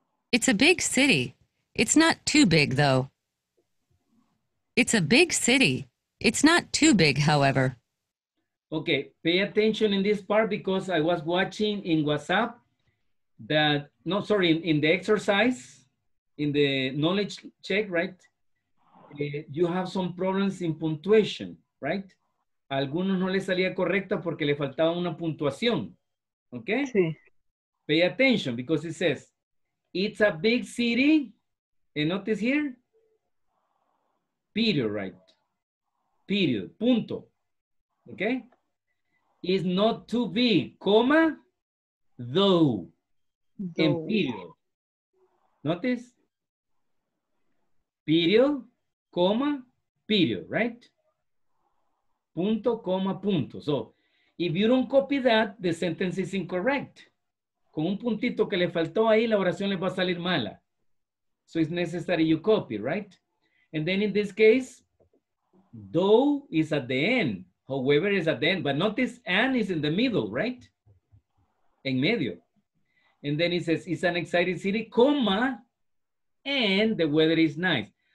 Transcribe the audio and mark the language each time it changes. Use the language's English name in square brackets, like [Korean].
[English] It's a big city. It's not too big, though. It's a big city. It's not too big, however. Okay, pay attention in this part because I was watching in WhatsApp that, no, sorry, in the exercise, in the knowledge check, right? You have some problems in punctuation. Right? [Spanish] A algunos no le salía correcta porque le faltaba una puntuación. [English] Okay? [Spanish] Sí. [English] Pay attention because it says, it's a big city. And notice here, period, right? Period, [Spanish] punto. [English] Okay? It's not too big, comma, though. And period. Notice? Period, comma, period, right? [Spanish] Punto, coma, punto. [English] So, if you don't copy that, the sentence is incorrect. [Spanish] Con un puntito que le faltó ahí, la oración le va a salir mala. [English] So, it's necessary you copy, right? And then in this case, though is at the end. However is at the end. But notice, and is in the middle, right? [Spanish] En medio. [English] And then it says, it's an exciting city, coma, and the weather is nice.